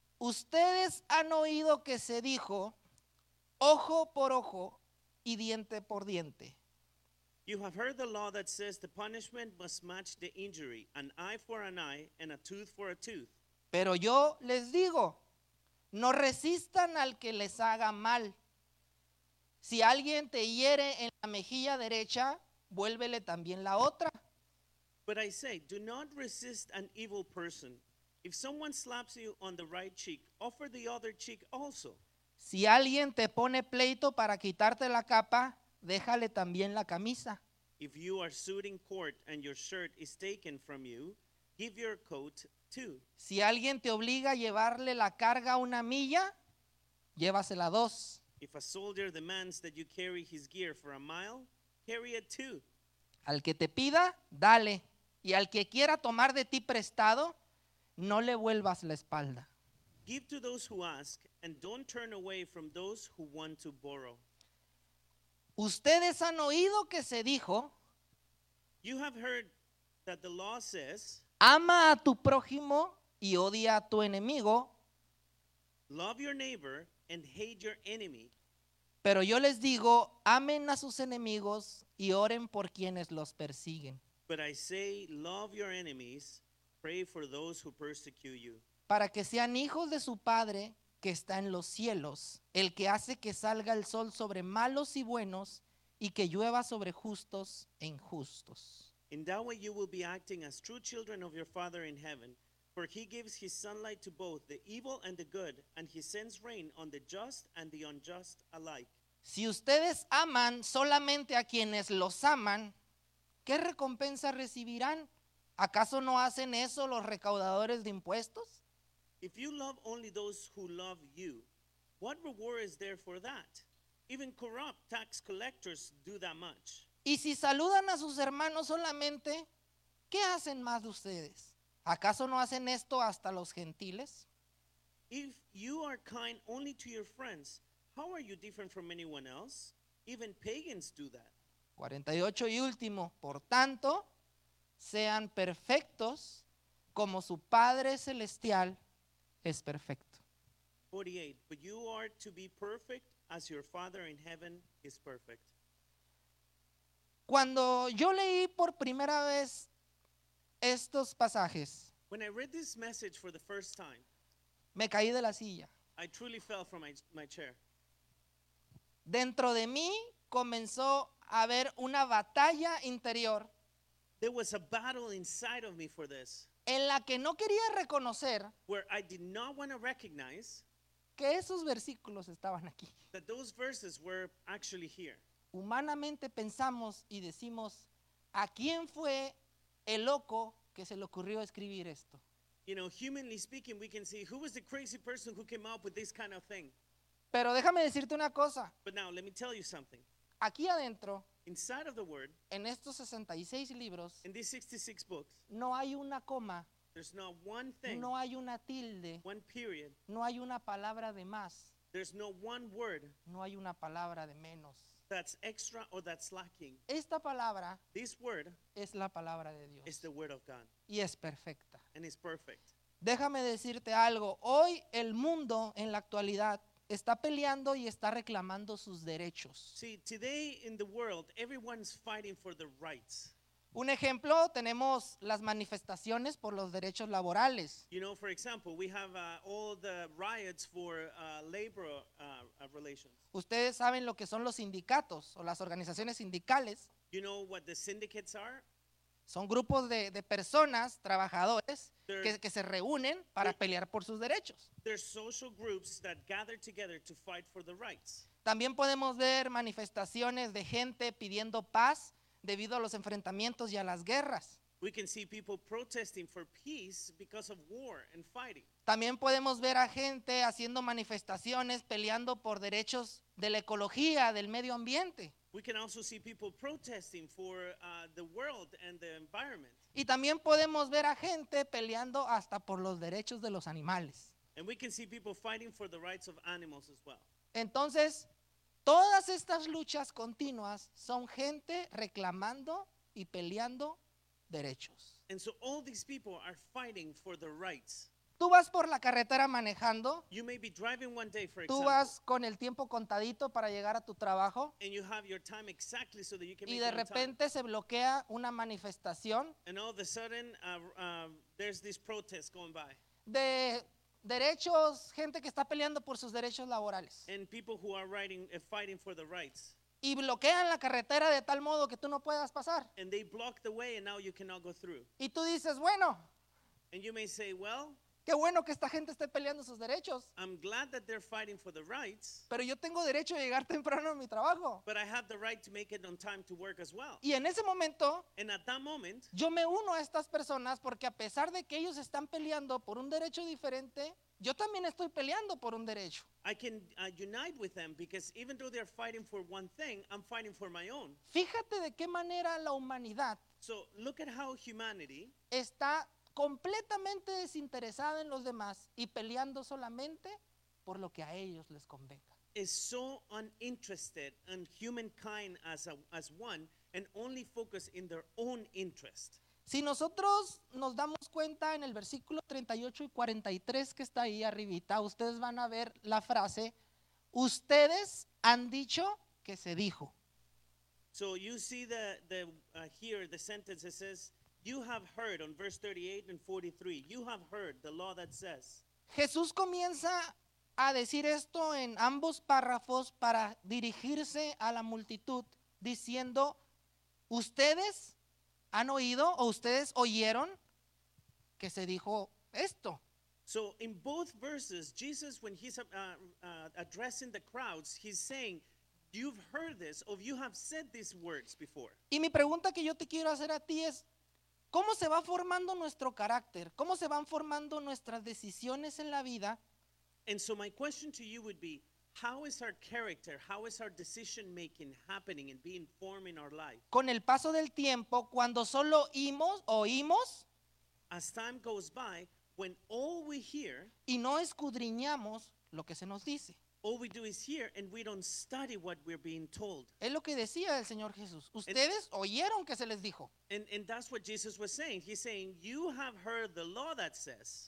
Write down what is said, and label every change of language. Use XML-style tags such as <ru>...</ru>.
<es>Ustedes han oído que se dijo, ojo por ojo y diente por diente.</es> <en>You have heard the law that says the punishment must match the injury, an eye for an eye and a tooth for a tooth.</en> <es>Pero yo les digo, no resistan al que les haga mal. Si alguien te hiere en la mejilla derecha, vuélvele también la otra.</es> <en>But I say, do not resist an evil person. If someone slaps you on the right cheek, offer the other cheek also.</en> <es>Si alguien te pone pleito para quitarte la capa, déjale también la camisa.</es> <en>If you are sued in court and your shirt is taken from you, give your coat too.</en> <es>Si alguien te obliga a llevarle la carga una milla, llévasela dos.</es> <en>If a soldier demands that you carry his gear for a mile, carry it too.</en> <es>Al que te pida, dale. Y al que quiera tomar de ti prestado, no le vuelvas la espalda.</es> <en>Give to those who ask, and don't turn away from those who want to borrow.</en> <es>Ustedes han oído que se dijo,</es> <en>you have heard that the law says,</en> <es>ama a tu prójimo y odia a tu enemigo.</es> <en>Love your neighbor and hate your enemy.</en> <es>Pero yo les digo, amen a sus enemigos y oren por quienes los persiguen.</es> <en>But I say, love your enemies, pray for those who persecute you.</en> <es>Para que sean hijos de su Padre que está en los cielos, el que hace que salga el sol sobre malos y buenos y que llueva sobre justos e injustos.</es> <en>In that way you will be acting as true children of your Father in heaven. For he gives his sunlight to both the evil and the good, and he sends rain on the just and the unjust alike.</en> <es>Si ustedes aman solamente a quienes los aman, ¿qué recompensa recibirán? ¿Acaso no hacen eso los recaudadores de impuestos?</es> <en>If you love only those who love you, what reward is there for that? Even corrupt tax collectors do that much.</en> <es>Y si saludan a sus hermanos solamente, ¿qué hacen más de ustedes? ¿Acaso no hacen esto hasta los gentiles?</es> <en>If you are kind only to your friends, how are you different from anyone else? Even pagans do that.</en> <es>48 y último, por tanto, sean perfectos como su Padre Celestial es perfecto.</es> <en>48, but you are to be perfect as your Father in heaven is perfect.</en> <es>Cuando yo leí por primera vez estos pasajes,</es> <en>when I read this message for the first time,</en> <es>me caí de la silla.</es> <en>I truly fell from my chair.</en> <es>Dentro de mí comenzó a haber una batalla interior.</es> <en>There was a battle inside of me for this.</en> <es>En la que no quería reconocer,</es> <en>where I did not want to recognize,</en> <es>que esos versículos estaban aquí.</es> <en>That those verses were actually here.</en> <es>Humanamente pensamos y decimos, ¿a quién fue el loco que se le ocurrió escribir esto?</es> <en>You know, humanly speaking, we can see who was the crazy person who came up with this kind of thing.</en> <es>Pero déjame decirte una cosa.</es> <en>But now, let me tell you something.</en> <es>Aquí adentro,</es> <en>inside of the word,</en> <es>en estos 66 libros,</es> <en>in these 66 books,</en> <es>no hay una coma.</es> <en>There's not one thing.</en> <es>No hay una tilde.</es> <en>One period.</en> <es>No hay una palabra de más.</es> <en>There's no one word.</en> <es>No hay una palabra de menos.</es> <en>That's extra or that's lacking.</en> <es>Esta palabra,</es> <en>this word,</en> <es>es la palabra de Dios.</es> <en>Is the word of God.</en> <es>Y es perfecta.</es> <en>And it's perfect.</en> <es>Déjame decirte algo. Hoy el mundo en la actualidad está peleando y está reclamando sus derechos.</es> <en>See, today in the world, everyone's fighting for their rights.</en> <es>Un ejemplo, tenemos las manifestaciones por los derechos laborales.</es> <en>You know, for example, we have all the riots for labor relations.</en> <es>Ustedes saben lo que son los sindicatos o las organizaciones sindicales.</es> <en>You know what the syndicates are?</en> <es>Son grupos de personas, trabajadores, que se reúnen para pelear por sus derechos.</es> <en>They're social groups that gather together to fight for the rights.</en> <es>También podemos ver manifestaciones de gente pidiendo paz debido a los enfrentamientos y a las guerras.</es> <en>We can see people protesting for peace because of war and fighting.</en> <es>También podemos ver a gente haciendo manifestaciones peleando por derechos de la ecología, del medio ambiente.</es> <en>We can also see people protesting for the world and the environment.</en> <es>Y también podemos ver a gente peleando hasta por los derechos de los animales.</es> <en>And we can see people fighting for the rights of animals as well.</en> <es>Entonces, todas estas luchas continuas son gente reclamando y peleando derechos.</es> <en>And so all these people are fighting for their rights.</en> <es>Tú vas por la carretera manejando.</es> <en>You may be driving one day, for</en> <es>tú</es> <en>example.</en> <es>Vas con el tiempo contadito para llegar a tu trabajo.</es> <en>And you have your time exactly so that you can</en> <es>y de repente</es> <en>time.</en> <es>Se bloquea una manifestación.</es> <en>And all of a sudden, there's this protest going by.</en> <es>De derechos, gente que está peleando por sus derechos laborales.</es> <en>And people who are writing, fighting for the rights.</en> <es>Y bloquean la carretera de tal modo que tú no puedas pasar.</es> <en>And they block the way and now you cannot go through.</en> <es>Y tú dices, bueno.</es> <en>And you may say, well.</en> <es>Qué bueno que esta gente esté peleando sus derechos.</es> <en>I'm glad that they're fighting for the rights.</en> <es>Pero yo tengo derecho a llegar temprano a mi trabajo.</es> <en>But I have the right to make it on time to work as well.</en> <es>Y en ese momento,</es> <en>and at that moment,</en> <es>yo me uno a estas personas porque a pesar de que ellos están peleando por un derecho diferente, yo también estoy peleando por un derecho.</es> <en>I can unite with them because even though they're fighting for one thing, I'm fighting for my own.</en> <es>Fíjate de qué manera la humanidad,</es> <en>so look at how humanity,</en> <es>está completamente desinteresada en los demás y peleando solamente por lo que a ellos les convenga.</es> <en>Is so uninterested in humankind as one and only focused in their own interest.</en> <es>Si nosotros nos damos cuenta en el versículo 38 y 43 que está ahí arribita, ustedes van a ver la frase, ustedes han dicho que se dijo.</es> <en>So you see here the sentence that says, you have heard on verse 38 and 43. You have heard the law that says.</en> <es>Jesús comienza a decir esto en ambos párrafos para dirigirse a la multitud diciendo, ustedes han oído o ustedes oyeron que se dijo esto.</es> <en>So in both verses, Jesus, when he's addressing the crowds, he's saying, you've heard this or you have said these words before.</en> <es>Y mi pregunta que yo te quiero hacer a ti es, ¿cómo se va formando nuestro carácter? ¿Cómo se van formando nuestras decisiones en la vida?</es> <en>And so my question to you would be, how is our character, how is our decision making happening and being formed in our life?</en> <es>Con el paso del tiempo, cuando solo oímos,</es> <en>as time goes by, when all we hear,</en> <es>y no escudriñamos lo que se nos dice.</es> <en>All we do is hear and we don't study what we're being told.</en> <es>Es lo que decía el Señor Jesús. Ustedes oyeron que se les dijo.</es> <en>And that's what Jesus was saying. He's saying, you have heard the law that says.</en>